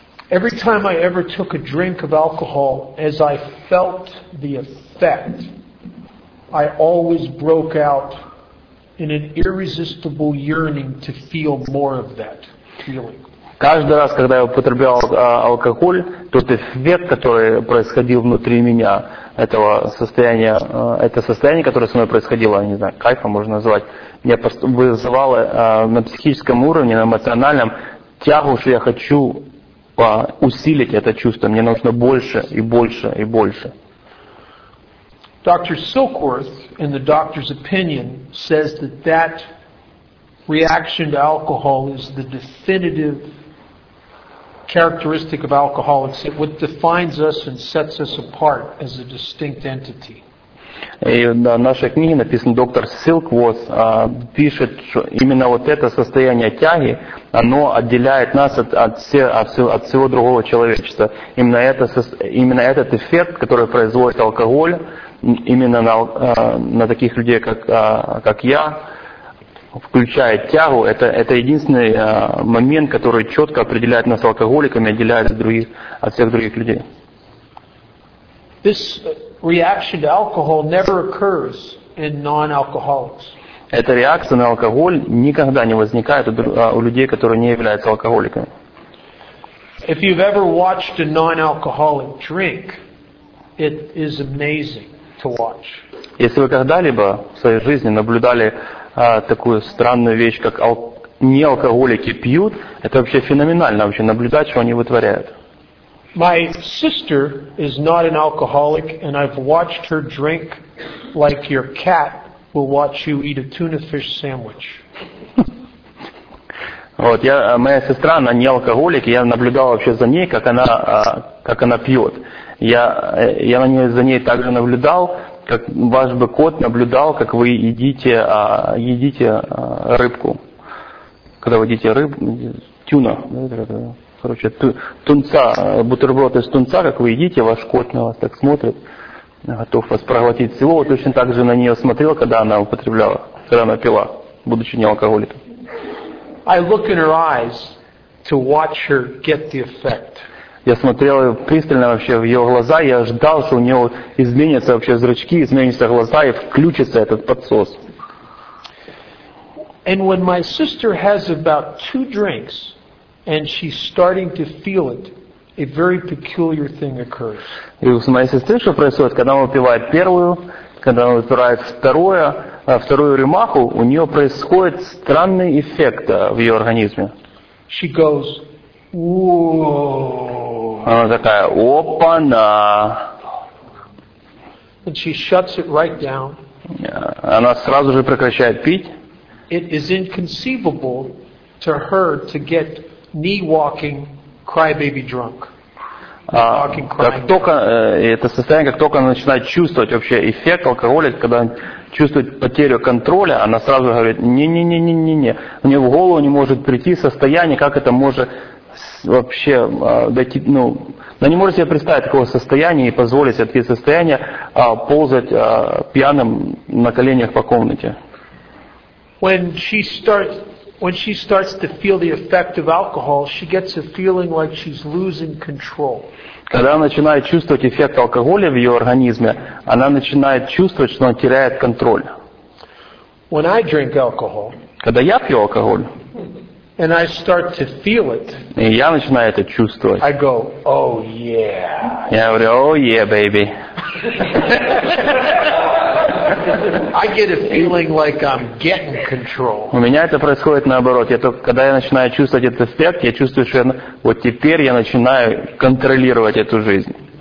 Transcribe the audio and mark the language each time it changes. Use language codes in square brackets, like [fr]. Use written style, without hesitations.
[en] Every time I ever took a drink of alcohol, as I felt the effect, I always broke out in an irresistible yearning to feel more of that feeling. [ru] Каждый раз, когда я употреблял алкоголь, тот эффект, который происходил внутри меня, этого состояния, это состояние, которое со мной происходило, не знаю, кайфом можно назвать, вызывало на психическом уровне, на эмоциональном тягу, что я хочу усилить это чувство. Мне нужно больше и больше и больше. [en] Dr. Silkworth, in the doctor's opinion, says that that reaction to alcohol is the definitive characteristic of alcoholics. It what defines us and sets us apart as a distinct entity. In [ru] нашей книге написано, доктор Silkworth пишет, что именно вот это состояние тяги, оно отделяет нас от всего другого человечества. Именно этот эффект, который производит алкоголь, именно на таких людей, как я, включая тягу, это единственный момент, который четко определяет нас алкоголиками, отделяет от всех других людей. [en] This reaction to alcohol never occurs in non-alcoholics. [ru] Эта реакция на алкоголь никогда не возникает у людей, которые не являются алкоголиками. [en] If you've ever watched a non-alcoholic drink, it is amazing to watch. [ru] Если вы когда-либо в своей жизни наблюдали такую странную вещь, как неалкоголики пьют, это вообще феноменально вообще наблюдать, что они вытворяют. [en] My sister is not an alcoholic, and I've watched her drink like your cat will watch you eat a tuna fish sandwich. [ru] Вот, моя сестра, она не алкоголик, и я наблюдал вообще за ней, как она пьет. Я за ней также наблюдал, как ваш бы кот наблюдал, как вы едите рыбку. Когда вы едите тюна, короче, тунца, бутерброд из тунца, как вы едите, ваш кот на вас так смотрит, готов вас проглотить всего. Вот точно так же на нее смотрел, когда она употребляла, когда она пила, будучи не алкоголиком. [en] I look in her eyes to watch her get the effect. [ru] Я смотрел пристально вообще в ее глаза, я ждал, что у нее изменятся вообще зрачки, изменятся глаза и включится этот подсос. [en] And when my sister has about two drinks and she's starting to feel it, a very peculiar thing occurs. [ru] И у моей сестры что происходит, когда она выпивает первую, когда она выпивает вторую рюмаху, у нее происходит странный эффект в ее организме. [en] She goes, whoa. [ru] Она такая, опа-на. [en] And she shuts it right down. [ru] Она сразу же прекращает пить. [en] It is inconceivable to her to get knee-walking, cry-baby drunk. [ru] Это состояние, как только она начинает чувствовать вообще эффект алкоголя, когда чувствует потерю контроля, она сразу говорит, не-не-не-не-не-не. У нее в голову не может прийти состояние, как это может вообще дойти, ну, она не может себе представить такого состояния и позволить себе такие состояния ползать пьяным на коленях по комнате. [en] When she starts to feel the effect of alcohol, she gets a feeling like she's losing control. [ru] Когда она начинает чувствовать эффект алкоголя в ее организме, она начинает чувствовать, что она теряет контроль. [en] When I drink alcohol, [ru] когда я пью алкоголь, [en] and I start to feel it, [ru] и я начинаю это чувствовать, [en] I go, oh yeah. [ru] Я говорю, [en] oh yeah, baby. I get a feeling like I'm getting control. [ru] У меня это происходит наоборот. Я только когда я начинаю чувствовать этот эффект, я чувствую, что я, вот теперь я начинаю контролировать эту жизнь.